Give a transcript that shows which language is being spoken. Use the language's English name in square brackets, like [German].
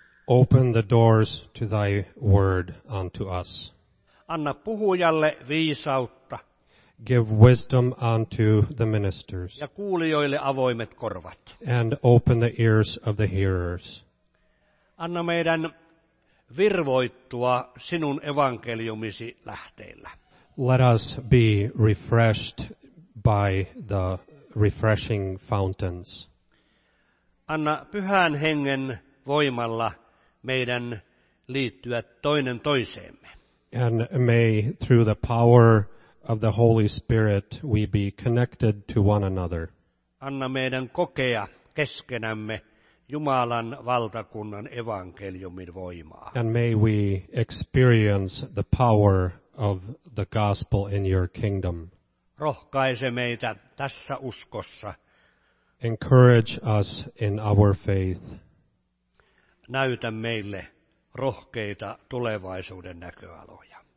[English] Open the doors to thy word unto us. [Finnish] Anna puhujalle viisautta. [English] Give wisdom unto the ministers. [Finnish] Ja kuulijoille avoimet korvat. [English] And open the ears of the hearers. [Finnish] Anna meidän virvoittua sinun evankeliumisi lähteillä. [English] Let us be refreshed by the refreshing fountains. [Finnish] Anna pyhän hengen voimalla meidän liittyä toinen toiseemme. [English] And may through the power of the Holy Spirit we be connected to one another. [Finnish] Anna meidän kokea keskenämme Jumalan valtakunnan evankeliumin voimaa. [English] And may we experience the power of the gospel in your kingdom. [Finnish] Rohkaise meitä tässä uskossa. [English] Encourage us in our faith. [Finnish] Näytä meille rohkeita tulevaisuuden näköaloja.